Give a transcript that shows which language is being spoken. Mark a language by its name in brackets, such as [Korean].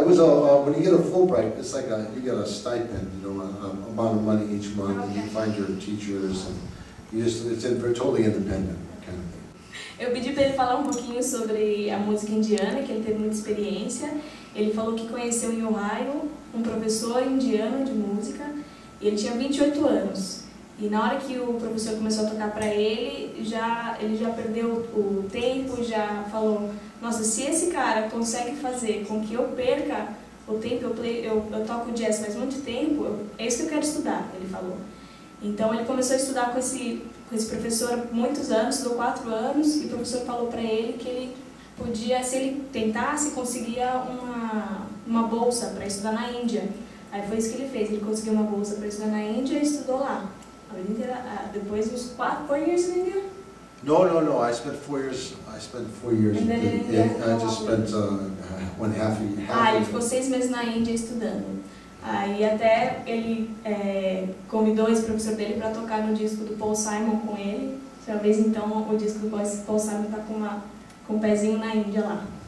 [English] It was when you get a Fulbright, it's like you get a stipend, you know, an amount of money each month, okay. And you find your teachers, and it's totally independent. [Portuguese] Eu pedi para ele falar um pouquinho sobre a música indiana, que ele teve muita experiência. Ele falou que conheceu em Ohio um professor indiano de música, e ele tinha 28 anos. E na hora que o professor começou a tocar para ele, ele já perdeu o tempo, já falou, nossa, se esse cara consegue fazer com que eu perca o tempo, eu toco jazz faz muito tempo, é isso que eu quero estudar, ele falou. Então ele começou a estudar com esse professor muitos anos, estudou 4 anos, e o professor falou para ele que ele podia, se ele tentasse, conseguia uma bolsa para estudar na Índia. Aí foi isso que ele fez, ele conseguiu uma bolsa para estudar na Índia e estudou lá. A vida inteira, depois dos 4 anos na Índia? [English] Não, I spent 4 years. And then, I just spent one half a year. [Portuguese] Ele ficou 6 meses na Índia estudando. Aí até ele convidou esse professor dele para tocar no disco do Paul Simon com ele. Talvez então o disco do Paul Simon está com um pezinho na Índia lá.